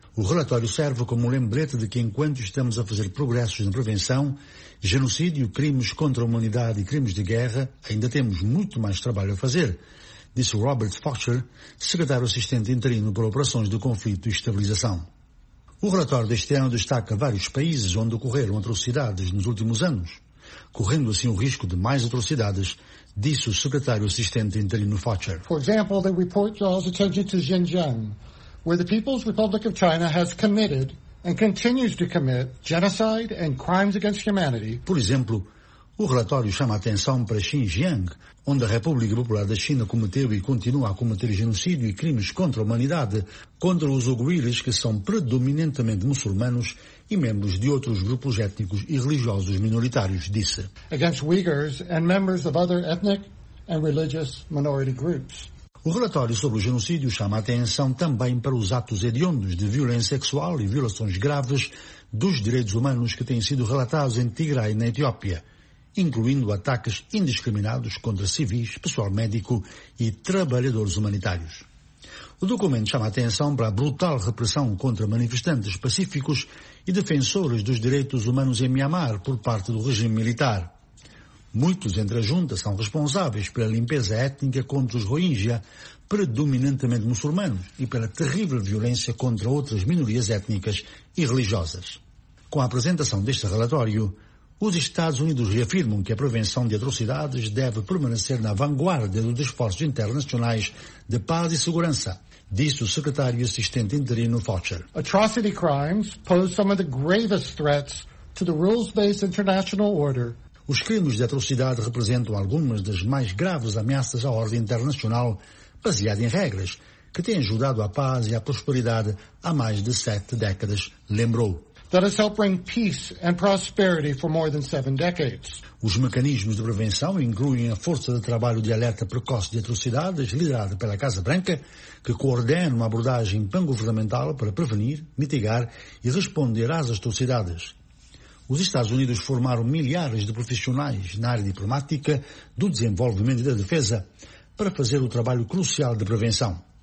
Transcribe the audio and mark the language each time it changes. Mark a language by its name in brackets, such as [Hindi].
[Portuguese] O relatório serve como lembrete de que enquanto estamos a fazer progressos na prevenção, genocídio, crimes contra a humanidade e crimes de guerra, ainda temos muito mais trabalho a fazer, disse Robert Faucher, secretário assistente interino para operações de conflito e estabilização. O relatório deste ano destaca vários países onde ocorreram atrocidades nos últimos anos, correndo assim o risco de mais atrocidades, disse o secretário assistente interino Faucher. [English] For example, the report draws attention to Xinjiang, where the People's Republic of China has committed and continues to commit genocide and crimes against humanity. [Portuguese] Por exemplo, o relatório chama a atenção para Xinjiang, onde a República Popular da China cometeu e continua a cometer genocídio e crimes contra a humanidade, contra os uigures, que são predominantemente muçulmanos, e membros de outros grupos étnicos e religiosos minoritários, disse. [English] Against Uyghurs and members of other ethnic and religious minority groups. [Portuguese] O relatório sobre o genocídio chama a atenção também para os atos hediondos de violência sexual e violações graves dos direitos humanos que têm sido relatados em Tigray, na Etiópia, incluindo ataques indiscriminados contra civis, pessoal médico e trabalhadores humanitários. O documento chama a atenção para a brutal repressão contra manifestantes pacíficos e defensores dos direitos humanos em Myanmar por parte do regime militar. Muitos entre a junta são responsáveis pela limpeza étnica contra os Rohingya, predominantemente muçulmanos, e pela terrível violência contra outras minorias étnicas e religiosas. Com a apresentação deste relatório, os Estados Unidos reafirmam que a prevenção de atrocidades deve permanecer na vanguarda dos esforços internacionais de paz e segurança, disse o secretário assistente interino Faucher. [English] Atrocity crimes pose some of the gravest threats to the rules-based international order. [Portuguese] Os crimes de atrocidade representam algumas das mais graves ameaças à ordem internacional, baseada em regras, que têm ajudado a paz e a prosperidade há mais de 7 décadas, lembrou. [English] That has helped bring peace and prosperity for more than 7 decades. [Portuguese] Os mecanismos de prevenção incluem a Força de Trabalho de Alerta Precoce de Atrocidades, liderada pela Casa Branca, que coordena uma abordagem pan-governamental para prevenir, mitigar e responder às atrocidades. Os Estados Unidos formaram milhares de profissionais na área diplomática, do desenvolvimento e da defesa para fazer o trabalho crucial de prevenção.